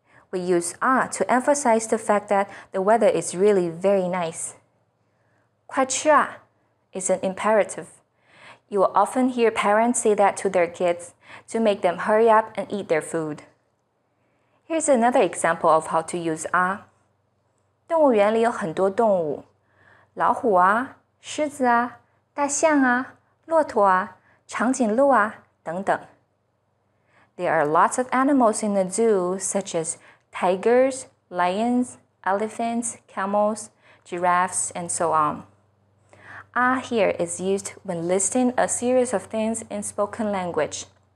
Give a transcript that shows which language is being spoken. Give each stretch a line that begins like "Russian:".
English: We use 啊 to emphasize the fact that the weather is really very nice. 快吃啊 is an imperative. You will often hear parents say that to their kids to make them hurry up and eat their food. Here's another example of how to use 啊.
Chinese: 动物园里有很多动物。老虎啊狮子啊大象啊骆驼啊长颈鹿啊等等。
English: There are lots of animals in the zoo, such as tigers, lions, elephants, camels, giraffes, and so on. Ah here is used when listing a series of things in spoken language.